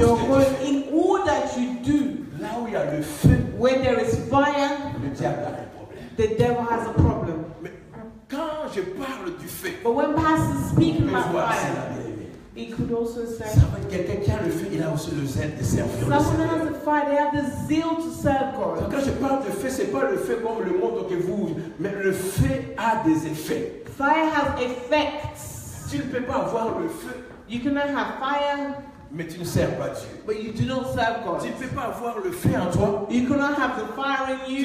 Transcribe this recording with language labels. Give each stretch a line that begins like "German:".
English: your home, in all that you do.
French: Là où il y a le feu,
English: where there is fire,
French: le diable a le
English: problème. The devil has a problem.
French: Mais quand je parle du feu,
English: but when pastors speak about fire, it could also say,
French: someone, quelqu'un qui a le feu, il a aussi le zèle de servir.
English: Someone has the fire, they have the zeal to serve God.
French: Donc quand je parle de feu, c'est pas le feu comme le monde que vous, mais le feu a des effets.
English: Fire has effects.
French: Tu ne peux pas avoir le feu.
English: You cannot have fire.
French: Mais tu ne sers pas Dieu.
English: But you do not serve God.
French: Tu ne peux pas avoir le feu en toi.
English: You cannot have the fire in you.